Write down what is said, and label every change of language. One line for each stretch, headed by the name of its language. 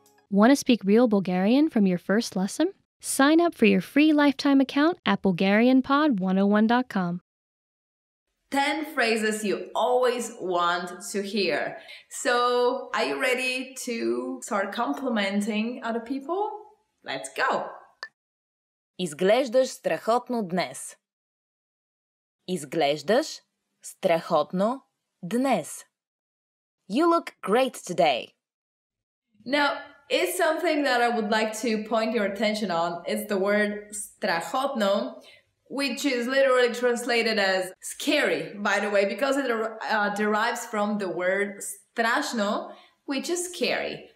English: Want to speak real Bulgarian from your first lesson? Sign up for your free lifetime account at BulgarianPod101.com. 10 phrases you always want to hear. So, are you ready to start complimenting other people? Let's go!
Bulgarian: Изглеждаш страхотно днес. Изглеждаш страхотно днес.
English: You look great today. Now, it's something that I would like to point your attention on. It's the word страхотно, which is literally translated as scary, by the way, because it derives from the word страшно, which is scary.